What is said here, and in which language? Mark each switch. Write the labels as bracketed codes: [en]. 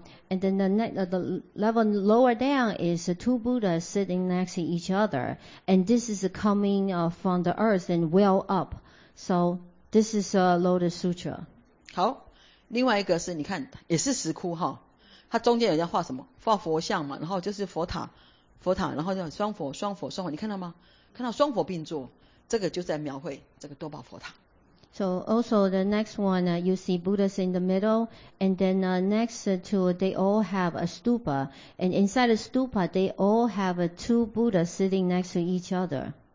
[en] And then the level lower down is two Buddhas sitting next to each other. And this is coming from the earth and well up. So this is a Lotus Sutra. [zh] 好，另外一个是你看，也是石窟哈，它中间有人画什么？画佛像嘛，然后就是佛塔，然后叫双佛，你看到吗？看到双佛并坐。这个就在描绘这个多宝佛塔。 [en] So also the next one, you see Buddhas in the middle, and then next to they all have a stupa, and inside the stupa, they all have two Buddhas sitting next to each other.